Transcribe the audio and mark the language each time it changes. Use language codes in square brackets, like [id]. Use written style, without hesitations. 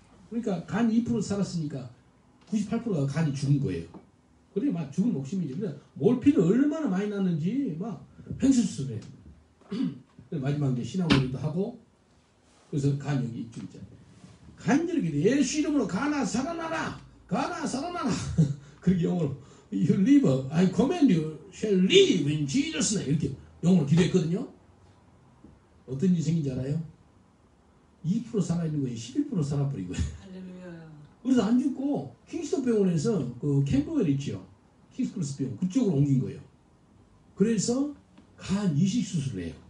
[ko] 그러니까 간 2% 살았으니까 98%가 간이 죽은 거예요. 그래 막 죽은 목숨이죠. 그래 몰핀을 얼마나 많이 놨는지 막 횡수술을 해. 마지막에 신앙고백도 하고 그래서 간역이 있죠. 간절히 예수 이름으로 가나 살아나라. 가나 살아나라. 그렇게 영어로 [en] You live, I command you shall live in Jesus' name. [ko] 이렇게 영어로 기도했거든요. 어떤 일이 생긴 줄 알아요? 2% 살아있는 거예요. 11% 살아버린 거예요. 그래서 안 죽고 킹스톤 병원에서 그 캠버웰 있죠. 킹스크로스 병원 그쪽으로 옮긴 거예요. 그래서 간 이식 수술을 해요.